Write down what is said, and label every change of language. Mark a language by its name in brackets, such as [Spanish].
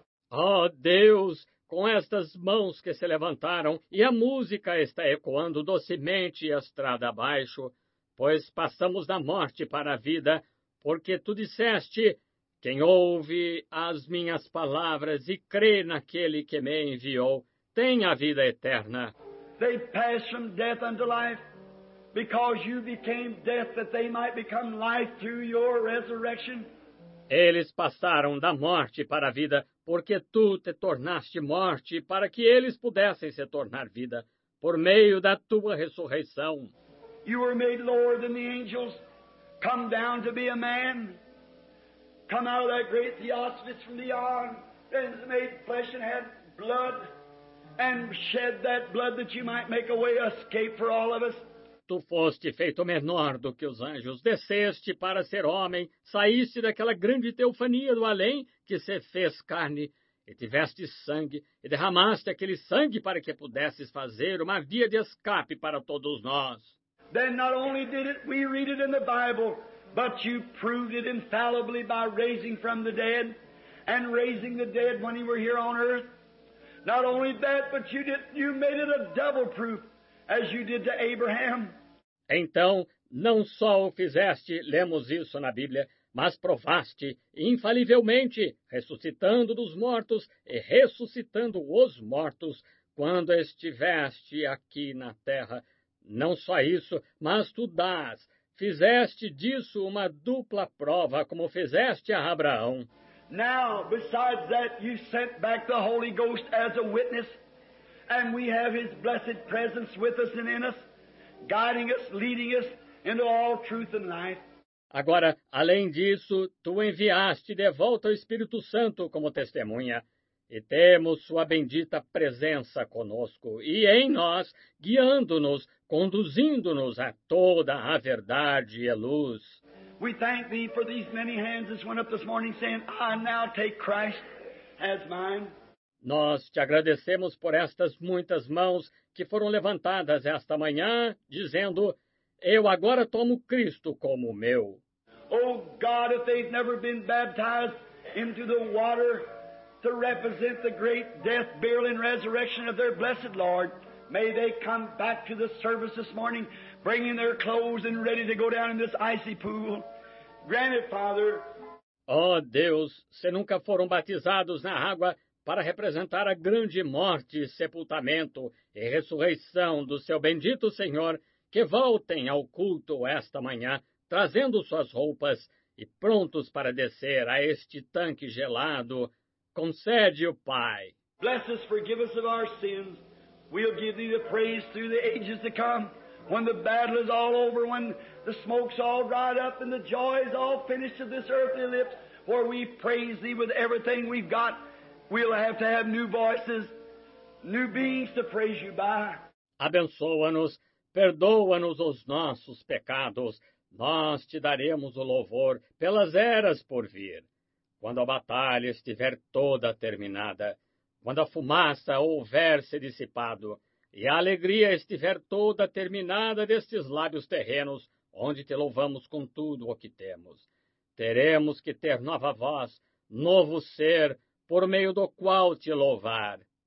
[Portuguese] Oh, Deus, com estas mãos que se levantaram, e a música está ecoando docemente a estrada abaixo, pois passamos da morte para a vida, porque tu disseste, quem ouve as minhas palavras e crê naquele que me enviou, tem a vida eterna. [English] They passed from death unto life, because you became death that they might become life through your resurrection. [Portuguese] Eles passaram da morte para a vida, porque tu te tornaste morte para que eles pudessem se tornar vida, por meio da tua ressurreição. [English] You were made lower than the angels, come down to be a man, come out of that great theosophist from beyond, and made flesh and had blood, and shed that blood that you might make a way of escape for all of us. [Portuguese] Tu foste feito menor do que os anjos, desceste para ser homem, saíste daquela grande teofania do além que se fez carne, e tiveste sangue, e derramaste aquele sangue para que pudesses fazer uma via de escape para todos nós. [English] Then not only did it, we read it in the Bible, but you proved it infallibly by raising from the dead, and raising the dead when you were here on earth. Not only that, but you made it a double proof. As you did to Abraham. [Portuguese] Então, não só o fizeste, lemos isso na Bíblia, mas provaste infalivelmente, ressuscitando dos mortos e ressuscitando os mortos, quando estiveste aqui na terra. Não só isso, mas tu dás. Fizeste disso uma dupla prova, como fizeste a Abraão. [English] Now, besides that, you sent back the Holy Ghost as a witness. And we have His blessed presence with us and in us, guiding us, leading us into all truth and life. [Portuguese] Agora, além disso, tu enviaste de volta o Espírito Santo como testemunha, e temos sua bendita presença conosco e em nós, guiando-nos, conduzindo-nos a toda a verdade e a luz. [English] We thank Thee for these many hands that went up this morning saying, I now take Christ as mine. [Portuguese] Nós te agradecemos por estas muitas mãos que foram levantadas esta manhã, dizendo, eu agora tomo Cristo como meu. [English] Oh, God, if they've never been baptized into the water to represent the great death, burial, and resurrection of their blessed Lord, may they come back to the service this morning, bringing their clothes and ready to go down in this icy pool. Grant it, Father. [Portuguese] Oh, Deus, se nunca foram batizados na água, para representar a grande morte, sepultamento e ressurreição do seu bendito Senhor, que voltem ao culto esta manhã, trazendo suas roupas e prontos para descer a este tanque gelado. Concede-o, Pai. [English] Bless us, forgive us of our sins. We'll give Thee the praise through the ages to come, when the battle is all over, when the smoke's all dried up and the joy is all finished of this earthly lips, for we praise Thee with everything we've got. We'll have to have new voices, new beings to praise you by. [Portuguese] Abençoa-nos, perdoa-nos os nossos pecados. Nós te daremos o louvor pelas eras por vir. Quando a batalha estiver toda terminada, quando a fumaça houver se dissipado e a alegria estiver toda terminada destes lábios terrenos, onde te louvamos com tudo o que temos, teremos que ter nova voz, novo ser, por meio do qual te louvar.